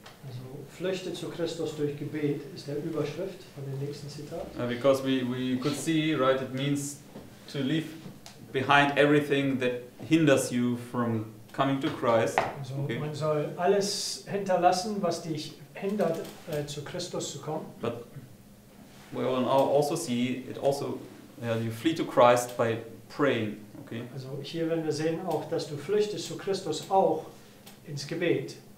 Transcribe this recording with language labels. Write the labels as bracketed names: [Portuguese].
[German] Also flüchte zu Christus durch Gebet ist der Überschrift von dem nächsten Zitat. [English] Because we could see, right, it means to leave behind everything that hinders you from coming to Christ. [German] Also, okay. Man soll alles hinterlassen, was dich hindert, zu Christus zu kommen. [English] But we will now also see it also, you flee to Christ by praying. Okay. [German] Also hier werden wir sehen auch, dass du flüchtest zu Christus auch ins Gebet.